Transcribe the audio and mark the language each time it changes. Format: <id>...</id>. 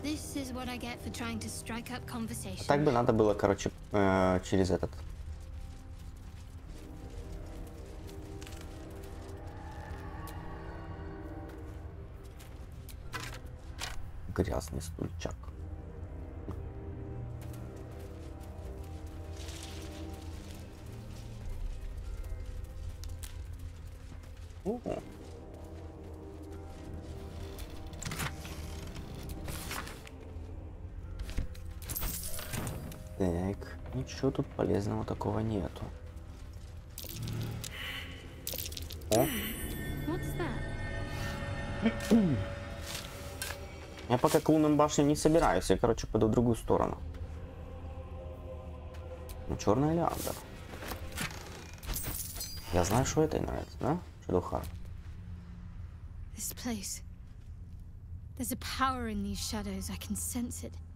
<en>This is what I get for trying to strike up conversation.</en> <ru>Так бы надо было, короче, через этот. Грязный стульчак. О-о-о. Так, ничего тут полезного такого нету. О. Я пока к лунным башням не собираюсь, я, короче, пойду в другую сторону. Ну, черный лиандр. Я знаю, что это и нравится, да? Чудуха.</ru> <en>This place. There's a power in these shadows, I can sense it.</en>